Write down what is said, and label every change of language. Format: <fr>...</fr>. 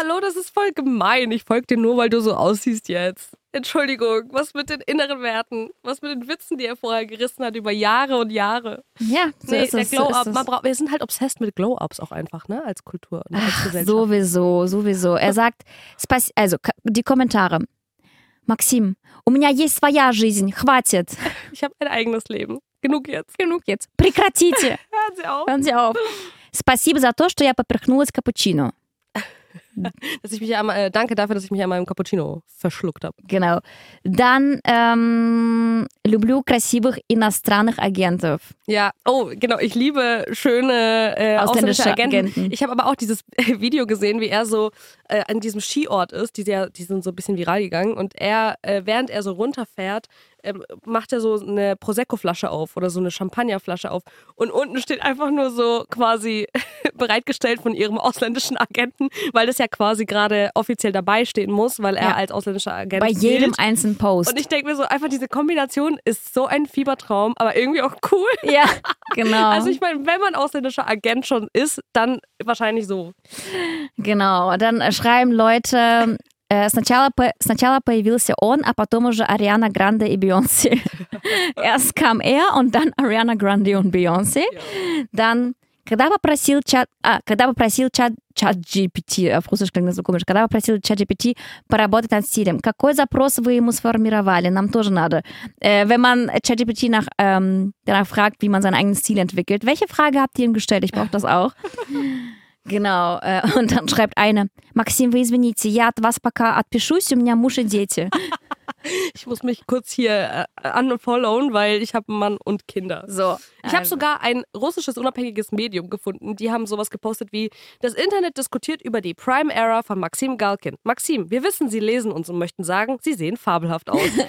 <de>Aber hallo, das ist voll gemein. Ich folge dir nur, weil du so aussiehst jetzt. Entschuldigung, was mit den inneren Werten? Was mit den Witzen, die er vorher gerissen hat über Jahre und Jahre? Ja, so nee, ist es. Der Glow-Up, so man braucht, wir sind halt obsessed mit Glow-Ups auch einfach, ne? Als Kultur, ne? Als Gesellschaft. Sowieso. Er sagt, also die Kommentare.</de> <ru>Maxim, у меня есть своя жизнь, хватит.</ru> <de>Ich habe ein eigenes Leben. Genug jetzt.</de> <ru>Прекратите.</ru> <de>Hören Sie auf.</de> <ru>Спасибо за то, что я поперхнулась капучино.</ru> <de>Danke dafür, dass ich mich einmal im Cappuccino verschluckt habe. Genau. Dann,</de> <ru>люблю красивых иностранных агентов.</ru> <de>Ja, oh, genau. Ich liebe schöne ausländische Agenten. Ich habe aber auch dieses Video gesehen, wie er so an diesem Skiort ist. Die sind so ein bisschen viral gegangen. Und er, während er so runterfährt, macht er so eine Prosecco-Flasche auf oder so eine Champagner-Flasche auf. Und unten steht einfach nur so quasi bereitgestellt von ihrem ausländischen Agenten, weil das ja quasi gerade offiziell dabei stehen muss, weil er als ausländischer Agent bei jedem einzelnen Post. Und ich denke mir so, einfach diese Kombination ist so ein Fiebertraum, aber irgendwie auch cool. Ja, genau. Also ich meine, wenn man ausländischer Agent schon ist, dann wahrscheinlich so. Genau, dann schreiben Leute...</de> <ru>Сначала появился он, а потом уже Ариана Гранде и Бейонсе.</ru> <de>Erst kam und dann Ariana Grande und Beyoncé. Dann,</de> <ru>когда попросил ChatGPT поработать над стилем, какой запрос вы ему сформировали? Нам тоже надо.</ru> <de>Wenn man ChatGPT danach fragt, wie man seinen eigenen Stil entwickelt, welche Frage habt ihr ihm gestellt? Ich brauche das auch. Genau, und dann schreibt eine,</de> <ru>Maxim, вы извините, я от вас пока отпишусь, у меня муж и дети.</ru> <de>Ich muss mich kurz hier unfollowen, weil ich habe einen Mann und Kinder. So. Ich habe sogar ein russisches unabhängiges Medium gefunden. Die haben sowas gepostet wie: Das Internet diskutiert über die Prime Era von Maxim Galkin. Maxim, wir wissen, Sie lesen uns und möchten sagen, Sie sehen fabelhaft aus.</de>